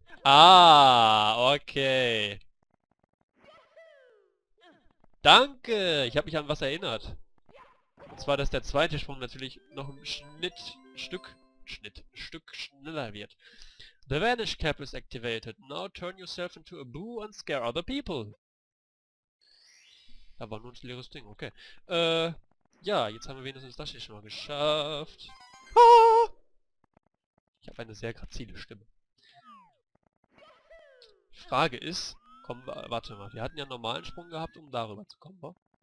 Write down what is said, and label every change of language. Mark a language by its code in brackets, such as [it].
[de] Ah, okay. Danke, ich habe mich an was erinnert. Und zwar, dass der zweite Sprung natürlich noch ein Stück schneller wird. [en] The Vanish Cap is activated. Now turn yourself into a boo and scare other people. [de] Da war nur ein leeres Ding, okay. Ja, jetzt haben wir wenigstens das hier schon mal geschafft. Ah! Ich habe eine sehr grazile Stimme. Frage ist, komm, warte mal, wir hatten ja einen normalen Sprung gehabt, um darüber zu kommen, wa?